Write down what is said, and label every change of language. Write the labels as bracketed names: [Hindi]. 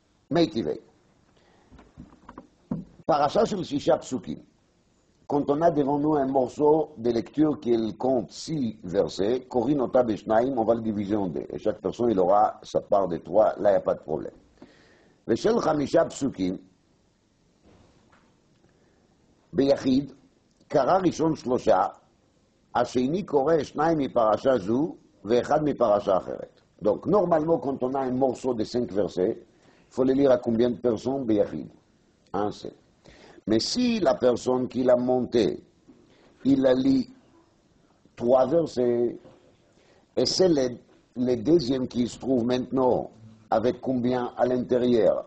[Hebrew] Meitivei. Parasha shel shisha psukim. [French] Quand on a devant nous un morceau de lecture qui compte six versets, [Hebrew] korin ota beshnaim, [French] on va le diviser en deux. Et chaque personne, il aura sa part de trois. Là, il n'y a pas de problème. [Hebrew] ושל חמישה פסוקים ביחיד קרא ראשון שלושה השני קורא שניים מפרשה זו ואחד מפרשה אחרת. [French] Donc normalement quand on a un morceau de 5 versets, il faut le lire à combien de personnes ביחיד? Un seul. Mais si la personne qui l'a monté, il a lu 3 versets et c'est le deuxième qui se trouve maintenant avec combien à l'intérieur?